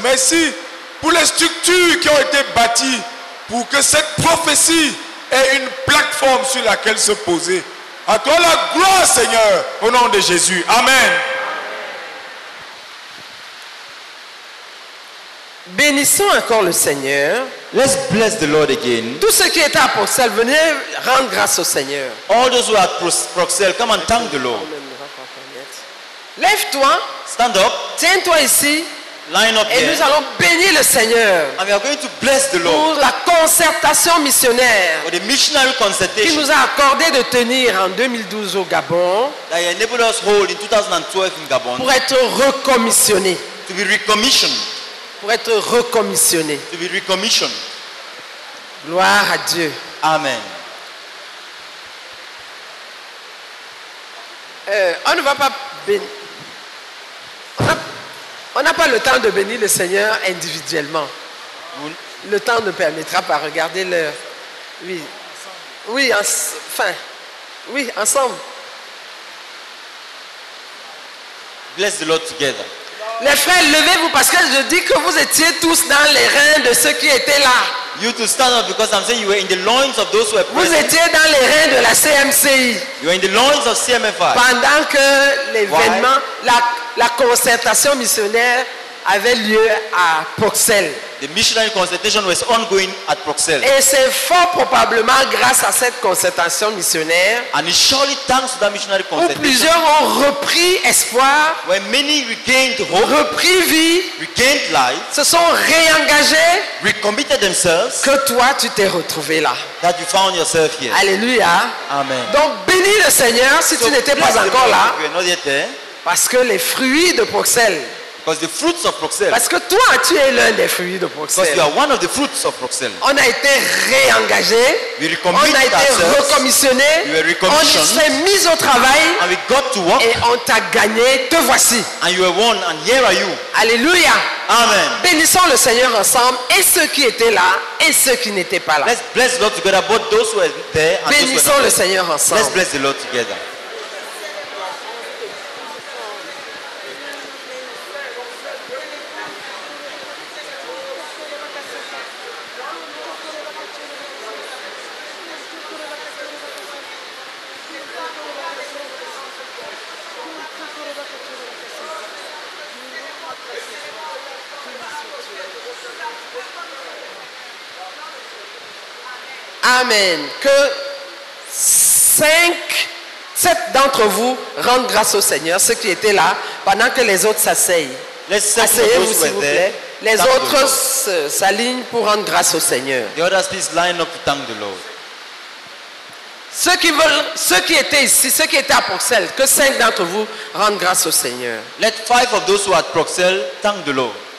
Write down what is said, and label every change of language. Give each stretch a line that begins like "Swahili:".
French: Merci pour les structures qui ont été bâties pour que cette prophétie ait une plateforme sur laquelle se poser. À toi la gloire, Seigneur, au nom de Jésus. Amen. Bénissons encore le Seigneur.
English: Let's bless the Lord again.
French: Tous ceux qui étaient à Bruxelles, venez rendre grâce au Seigneur.
English: All those who are at Bruxelles, come and thank the Lord.
French: Lève-toi.
English: Stand up.
French: Tiens-toi ici.
English: Line up
French: et
English: there.
French: Nous allons bénir le Seigneur.
English: And we are going to bless the Lord.
French: Pour la concertation missionnaire.
English: For the missionary concertation.
French: Qui nous a accordé de tenir en 2012 au Gabon.
English: That he enabled us hold in 2012 in Gabon.
French: Pour être recommissionné.
English: To be recommissioned.
French: Pour être recommissionné.
English: To be recommissioned.
French: Gloire à Dieu.
English: Amen.
French: On ne va pas bénir. On n'a pas le temps de bénir le Seigneur individuellement. Le temps ne permettra pas. Regardez l'heure. Oui. Oui, enfin. Oui, ensemble.
English: Bless the Lord together.
French: Les frères, levez-vous parce que je dis que vous étiez tous dans les reins de ceux qui étaient là.
English: You to stand up because I'm saying you were in the loins of those who were present.
French: Vous étiez dans les reins de la CMCI.
English: You were in the loins of CMFI.
French: Pendant que l'événement, la concertation missionnaire avait lieu à Bruxelles.
English: The missionary concertation was ongoing at Bruxelles.
French: Et c'est fort probablement grâce à cette concertation missionnaire.
English: And it surely thanks to that missionary concertation.
French: Où plusieurs ont repris espoir.
English: When many regained hope.
French: Repris vie.
English: Regained life.
French: Se sont réengagés.
English: Recommitted themselves.
French: Que toi tu t'es retrouvé là.
English: That you found yourself here.
French: Alléluia.
English: Amen.
French: Donc bénis le Seigneur si
English: so
French: tu n'étais pas encore là.
English: You are not yet there.
French: Parce que les fruits de Bruxelles.
English: Because the fruits of Bruxelles.
French: Parce que toi, tu es l'un des fruits de Bruxelles.
English: Because you are one of the fruits of Bruxelles.
French: On a été réengagé.
English: We recommitted ourselves.
French: On a été recommissionné.
English: We were recommissioned.
French: On s'est mis au travail.
English: And we got to work.
French: Et on t'a gagné. Te voici.
English: And you were won. And here are you.
French: Alléluia.
English: Amen.
French: Bénissons le Seigneur ensemble et ceux qui étaient là et ceux qui n'étaient pas là.
English: Let's bless the Lord together, both those who were there and those who were not.
French: Bénissons le Seigneur ensemble.
English: Let's bless the Lord together. Amen.
French: Que sept d'entre vous rendent grâce au Seigneur, ceux qui étaient là, pendant que les autres s'asseyent. Asseyez-vous, s'il vous plaît. Les autres s'alignent pour rendre grâce au Seigneur.
English: The others please line up to thank the Lord.
French: Ceux qui étaient ici, ceux qui étaient à Bruxelles, que cinq d'entre vous rendent grâce au Seigneur.
English: Let five of those who are at Bruxelles thank the Lord.